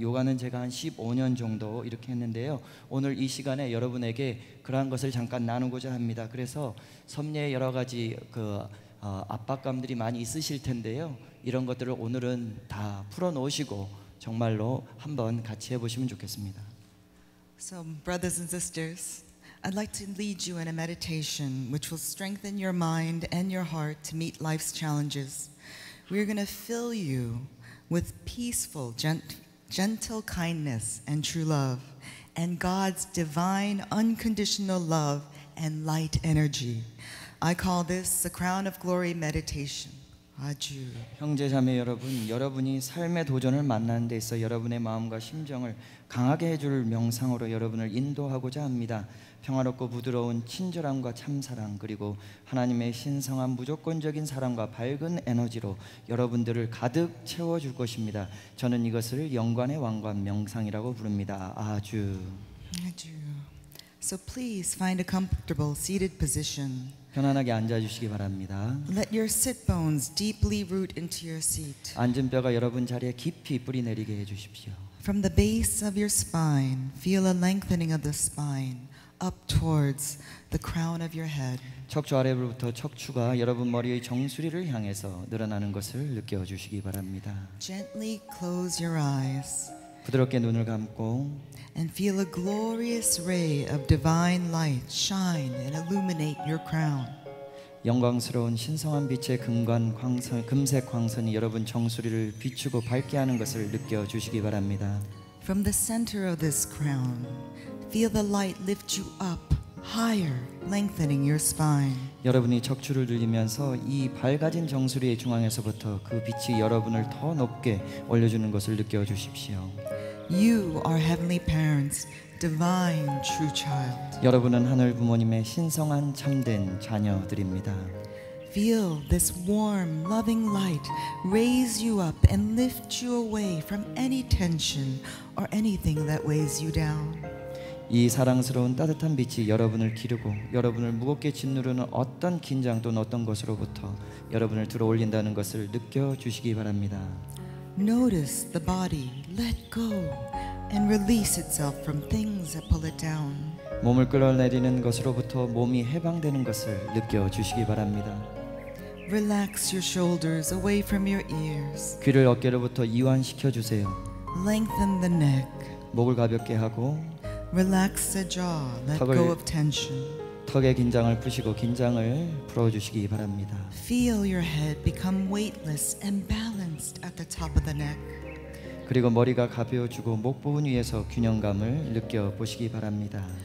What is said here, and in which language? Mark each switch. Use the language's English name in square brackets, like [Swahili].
[Korean] 요가는 제가 한 15년 정도 이렇게 했는데요. 오늘 이 시간에 여러분에게 그러한 것을 잠깐 나누고자 합니다. 그래서 섭리에 여러 가지 압박감들이 많이 있으실 텐데요. 이런 것들을 오늘은 다 풀어놓으시고 정말로 한번 같이 해보시면 좋겠습니다. [English] So, brothers and sisters, I'd like to lead you in a meditation which will strengthen your mind and your heart to meet life's challenges. We're going to fill you with peaceful, gentle kindness and true love, and God's divine, unconditional love and light energy. I call this the Crown of Glory Meditation. [Korean] 아주 형제 자매 여러분, 여러분이 삶의 도전을 만나는 데 있어 여러분의 마음과 심정을 강하게 해줄 명상으로 여러분을 인도하고자 합니다. 평화롭고 부드러운 친절함과 참사랑, 그리고 하나님의 신성한 무조건적인 사랑과 밝은 에너지로 여러분들을 가득 채워줄 것입니다. 저는 이것을 영광의 왕관 명상이라고 부릅니다. 아주 아주. [English] So please find a comfortable seated position. [Korean] 편안하게 앉아주시기 바랍니다. [English] Let your sit bones deeply root into your seat. [Korean] 앉은 뼈가 여러분 자리에 깊이 뿌리 내리게 해주십시오. [English] From the base of your spine, feel a lengthening of the spine up towards the crown of your head. [Korean] 척추 아래부터 척추가 여러분 머리의 정수리를 향해서 늘어나는 것을 느껴주시기 바랍니다. [English] Gently close your eyes. [Korean] 부드럽게 눈을 감고. [English] And feel a glorious ray of divine light shine and illuminate your crown. [Korean] 영광스러운 신성한 빛의 금관 광선, 금색 광선이 여러분 정수리를 비추고 밝게 하는 것을 느껴 주시기 바랍니다. [English] From the center of this crown, feel the light lift you up higher, lengthening your spine. [Korean] 여러분이 척추를 늘리면서 이 밝아진 정수리의 중앙에서부터 그 빛이 여러분을 더 높게 올려 주는 것을 느껴 주십시오. [English] You are heavenly parents, divine true child. [Korean] 여러분은 하늘 부모님의 신성한 참된 자녀들입니다. [English] Feel this warm, loving light raise you up and lift you away from any tension or anything that weighs you down. [Korean] 이 사랑스러운 따뜻한 빛이 여러분을 기르고 여러분을 무겁게 짓누르는 어떤 긴장 또는 어떤 것으로부터 여러분을 들어올린다는 것을 느껴 주시기 바랍니다. [English] Notice the body let go and release itself from things that pull it down. [Korean] 몸을 끌어내리는 것으로부터 몸이 해방되는 것을 느껴 주시기 바랍니다. [English] Relax your shoulders away from your ears. [Korean] 귀를 어깨로부터 이완시켜 주세요. [English] Lengthen the neck. [Korean] 목을 가볍게 하고. [English] Relax the jaw. Let go of tension. [Korean] 턱의 긴장을 푸시고 긴장을 풀어주시기 바랍니다. [English] Feel your head become weightless and balanced at the top of the neck. [Korean] 그리고 머리가 가벼워지고 목 부분 위에서 균형감을 느껴 보시기 바랍니다.